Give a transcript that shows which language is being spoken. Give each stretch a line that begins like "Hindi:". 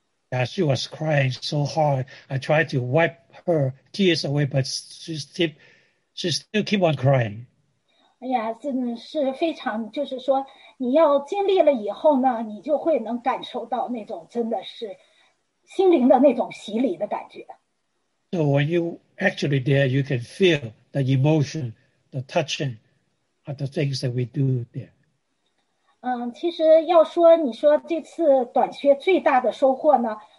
English: Yeah, she was crying so hard. I tried to wipe her tears away, but she still keep on crying.
Chinese: Yeah, 真的是非常，就是说你要经历了以后呢，你就会能感受到那种真的是心灵的那种洗礼的感觉。So
English: when you actually there, you can feel the emotion, the touching of the things that we do there.
Chinese: 其实要说你说这次短缺最大的收获呢。